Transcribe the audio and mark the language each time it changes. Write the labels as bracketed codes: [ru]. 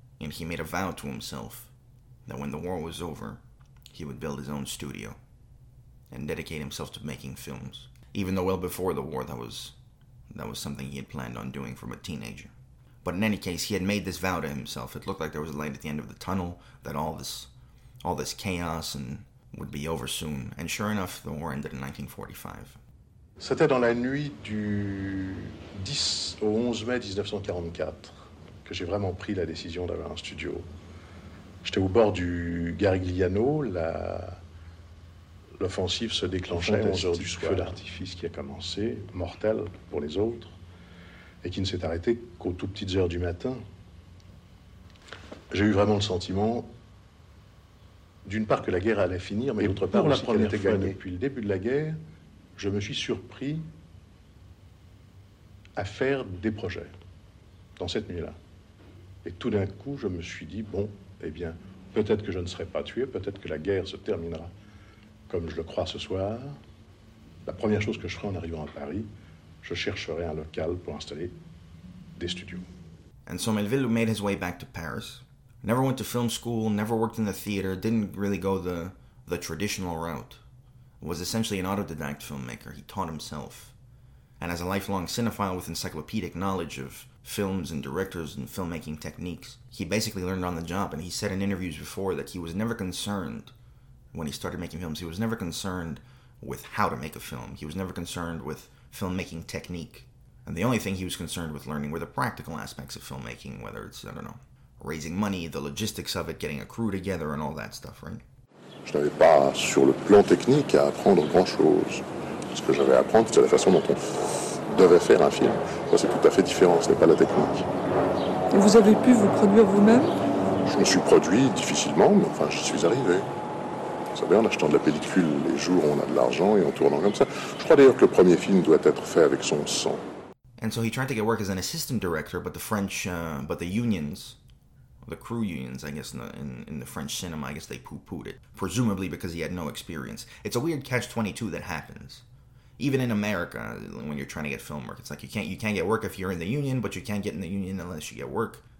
[en] And he made a vow to himself that when the war was over, he would build his own studio and dedicate himself to making films. Even though well before the war, that was something he had planned on doing from a teenager. But in any case, he had made this vow to himself. It looked like there was a light at the end of the tunnel, that all this chaos and... would be over soon. And sure enough, the war ended in 1945. [fr] C'était dans la nuit du 10 au 11 mai 1944 que j'ai vraiment pris la décision d'avoir un studio. J'étais au bord du Garigliano, l'offensive se déclenchait à 11h du soir. Feu d'artifice qui a commencé, mortel pour les autres, et qui ne s'est arrêté qu'aux toutes petites heures du matin. J'ai eu vraiment le sentiment d'une part que la guerre allait finir, mais d'autre part aussi qu'elle était gagnée. Depuis le début de la guerre, je me suis surpris à faire des projets, dans cette nuit-là. Et tout d'un coup, je me suis dit, bon, eh bien, peut-être que je ne serai pas tué, peut-être que la guerre se terminera comme je le crois ce soir. La première chose que je ferai en arrivant à Paris, je chercherai un local pour installer des studios. [en] And so Melville made his way back to Paris. Never went to film school, never worked in the theater, didn't really go the traditional route. Was essentially an autodidact filmmaker. He taught himself. And as a lifelong cinephile with encyclopedic knowledge of films and directors and filmmaking techniques, he basically learned on the job. And he said in interviews before that he was never concerned when he started making films. He was never concerned with how to make a film. He was never concerned with filmmaking technique. And the only thing he was concerned with learning were the practical aspects of filmmaking, whether it's, I don't know, raising money, the logistics of it, getting a crew together and all that stuff, right? [fr] Je n'avais pas sur le plan technique à apprendre grand-chose. Ce que j'avais à apprendre, c'était la façon dont on devait faire un film. Moi, c'est tout à fait différent, ce n'est pas la technique. Et vous avez pu vous produire vous-même? Je me suis produit difficilement, mais enfin, j'y suis arrivé. Vous savez, en achetant de la pellicule les jours où on a de l'argent et en tournant comme ça. Je crois d'ailleurs que le premier film doit être fait avec son sang. [en] And so he tried to get work as an assistant director, but the crew unions, I guess, in the French cinema, I guess they poo-pooed it, presumably because he had no experience. It's a weird catch-22 that happens. Even in America, when you're trying to get film work, it's like you can't get work if you're in the union, but you can't get in the union unless you get work.